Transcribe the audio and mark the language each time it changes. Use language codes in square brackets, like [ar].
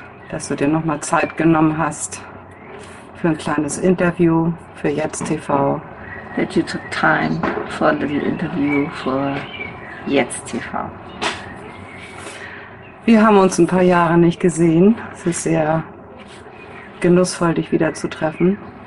[de] Dass du dir nochmal Zeit genommen hast für ein kleines Interview für Jetzt TV. [en] That you took time for a little interview for Jetzt TV. [de] Wir haben uns ein paar Jahre nicht gesehen. Es ist sehr genussvoll, dich wieder zu treffen.